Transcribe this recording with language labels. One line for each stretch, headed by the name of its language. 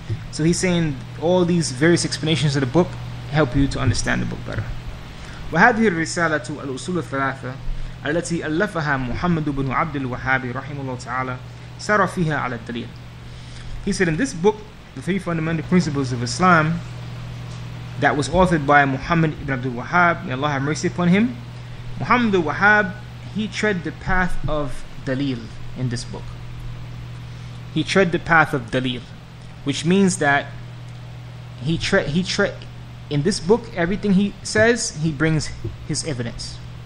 English: So he's saying all these various explanations of the book help you to understand the book better.
Arabic: وهذه الرسالة الأصول الثلاثة التي ألفها محمد بن عبد الوهاب رحمه الله تعالى سار فيها على الدليل.
English: He said, in this book, The Three Fundamental Principles of Islam, that was authored by Muhammad ibn Abdul Wahhab, may Allah have mercy upon him, Muhammad ibn Wahhab, he tread the path of dalil in this book. He tread the path of dalil, which means that in this book, everything he says, he brings his evidence.